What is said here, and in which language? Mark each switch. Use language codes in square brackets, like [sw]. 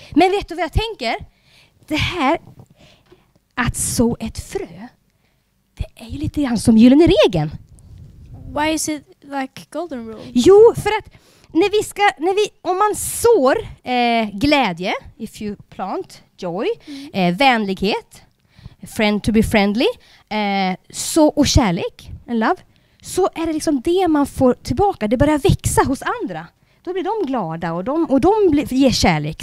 [sv] Men vet du vad jag tänker? Det här, att så ett frö, det är ju lite grann som gyllene regeln. [en] Why is it like golden rule? [sv] Jo, för att om man sår glädje, [en] if you plant joy, [sv] vänlighet, [en] friend to be friendly, [sv] så och kärlek, [en] and love, [sv] så är det liksom det man får tillbaka. Det börjar växa hos andra. Då blir de glada och de ger kärlek.